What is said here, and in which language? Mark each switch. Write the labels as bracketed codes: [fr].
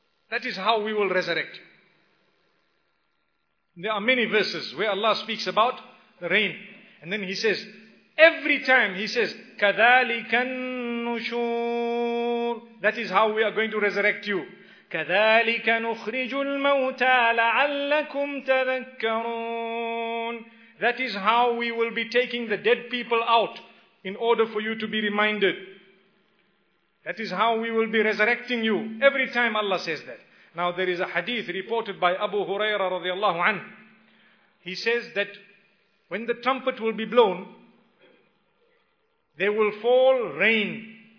[en] That is how we will resurrect you. There are many verses where Allah speaks about the rain. And then He says, every time He says, [ar] كَذَلِكَ النُّشُورِ, [en] that is how we are going to resurrect you. [ar] كذلك نخرج الموتى لعلكم تذكرون. [en] That is how we will be taking the dead people out in order for you to be reminded. That is how we will be resurrecting you. Every time Allah says that. Now there is a hadith reported by Abu Hurairah radiallahu anhu. He says that when the trumpet will be blown, there will fall rain.